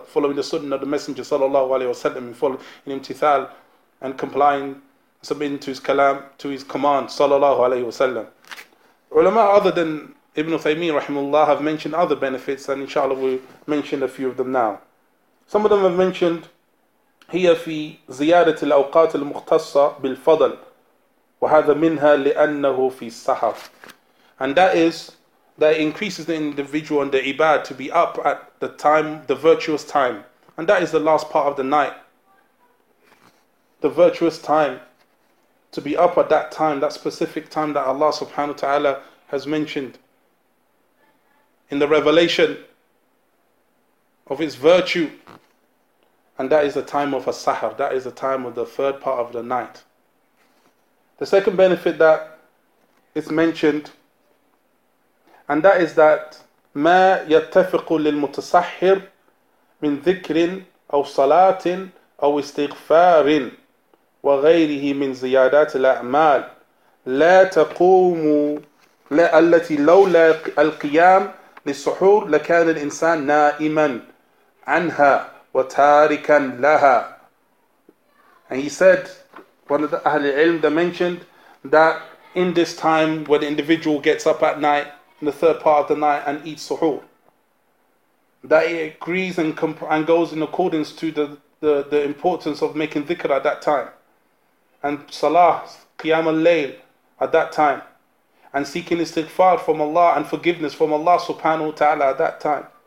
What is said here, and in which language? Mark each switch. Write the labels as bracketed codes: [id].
[en] Following the sunnah of the Messenger sallallahu alayhi wa sallam, in imtithal, and complying, submitting to his kalam, to his command sallallahu alayhi wa sallam. Ulama other than Ibn Uthaymeen rahimullah have mentioned other benefits, and inshallah we'll mention a few of them now. Some of them have mentioned [ar] هي في زيادة الأوقات المختصة بالفضل وهذا منها لأنه في السحر. [en] And that is that it increases the individual and the ibad to be up at the time, the virtuous time, and that is the last part of the night. The virtuous time, to be up at that time, that specific time that Allah subhanahu wa ta'ala has mentioned in the revelation of his virtue. And that is the time of as-sahar, that is the time of the third part of the night. The second benefit that is mentioned, and that is that [ar] ما يتفق للمتسحر من ذكر أو صلاة أو استغفار وغيره من زيادات الأعمال لا تقوم التي لولا القيام للسحور لكان الإنسان نائما عنها وتاركا لها. [en] And he said, one of the Ahl al-Ilm that mentioned that in this time where the individual gets up at night, in the third part of the night, and eats suhoor, that it agrees and goes in accordance to the importance of making dhikr at that time, and salah, qiyam al-layl at that time, and seeking istighfar from Allah and forgiveness from Allah subhanahu wa ta'ala at that time.